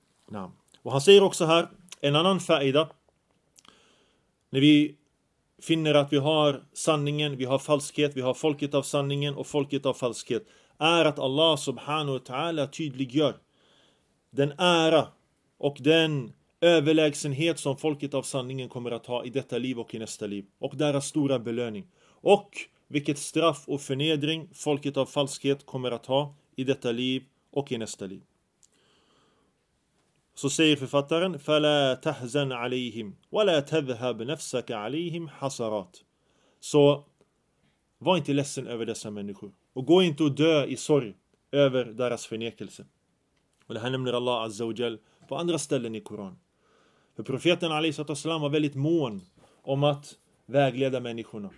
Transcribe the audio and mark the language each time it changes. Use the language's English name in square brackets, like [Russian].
[Swedish] Ja. Och han säger också här en annan faida: när vi finner att vi har sanningen, vi har falskhet, vi har folket av sanningen och folket av falskhet, är att Allah subhanahu wa ta'ala tydliggör den ära och den överlägsenhet som folket av sanningen kommer att ha i detta liv och i nästa liv, och deras stora belöning, och vilket straff och förnedring folket av falskhet kommer att ha i detta liv och i nästa liv. Så säger författaren: [Arabic] فَلَا تَحْزَنْ عَلَيْهِمْ وَلَا تَذْهَبْ نَفْسَكَ عَلَيْهِمْ حَسَرَاتْ. [Swedish] Så var inte ledsen över dessa människor och gå inte och dö i sorg över deras förnekelse. Och det här nämner Allah Azza wa Jal på andra ställen i Koran. För profeten alaihissalam var väldigt mån om att vägleda människorna.